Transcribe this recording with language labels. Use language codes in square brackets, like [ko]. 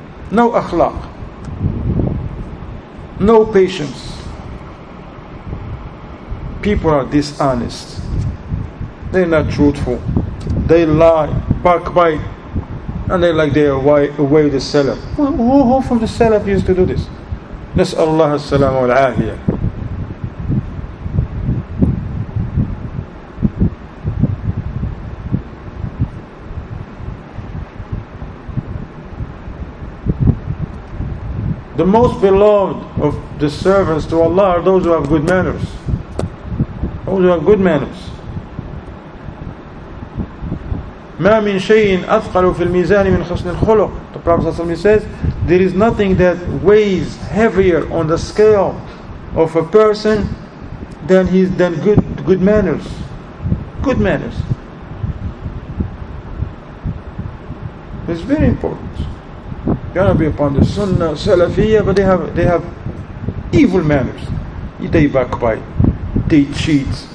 [en] No akhlaq, no patience. People are dishonest. They're not truthful. They lie, backbite, and they like their way away the Salaf. Who from the Salaf used to do this? [ar] نسأل الله السلام والعافية. [en] The most beloved of the servants to Allah are those who have good manners. Those who have good manners. [ar] ما من شيء أثقل في الميزان من حسن الخلق. [en] The Prophet says, there is nothing that weighs heavier on the scale of a person than his good manners. Good manners. It's very important. You gotta be upon the Sunnah, Salafiyyah, but they have evil manners. They backbite. They cheat.